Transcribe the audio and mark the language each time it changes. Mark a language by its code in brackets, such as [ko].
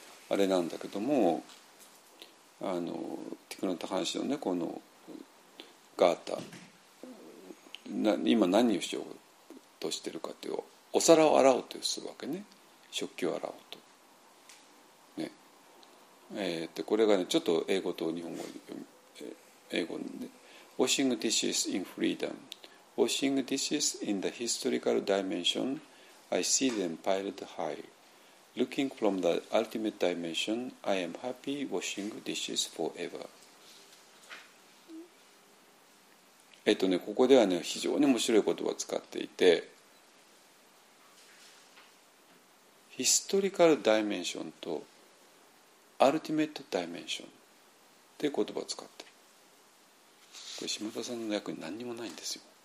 [ja] あれなんだけども、あのティク・ナット・ハン師のね、このガーター、な今何をしようとしてるかっていう、お皿を洗おうとするわけね、食器を洗おうとね、これがねちょっと英語と日本語で英語で、 [en] Washing dishes in freedom. Washing dishes in the historical dimension, I see them piled high. Looking from the ultimate dimension, I am happy washing dishes forever. [ja] ね、ここではね、非常に面白い言葉を使っていて、historical dimension と ultimate dimension っていう言葉を使って、島田さんの役に何にもないんですよ。